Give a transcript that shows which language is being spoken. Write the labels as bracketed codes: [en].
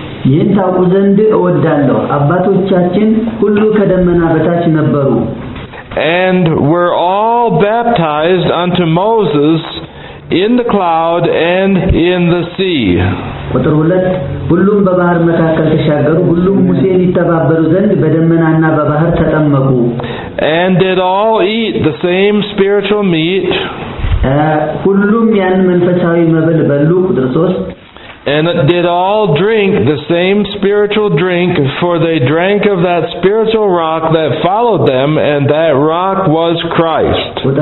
[am] ይህን ታውቁ ዘንድ እወዳለሁ አባቶቻችን ሁሉ ከደመና በታች ነበሩ [en] and were all baptized unto Moses in the cloud and in the sea [am] ወጥሩ ሁለት ሁሉም በባህር መካከል ተሻገሩ ሁሉም ሙሴን ይተባበሩ ዘንድ በደመናና በባህር ተጠመቁ [en] and did all eat the same spiritual meat [am] ሁሉም ያን መንፈሳዊ መብል በሉ ቁጥር 3 [en] And did all drink the same spiritual drink, for they drank of that spiritual rock that followed them, and that rock was Christ.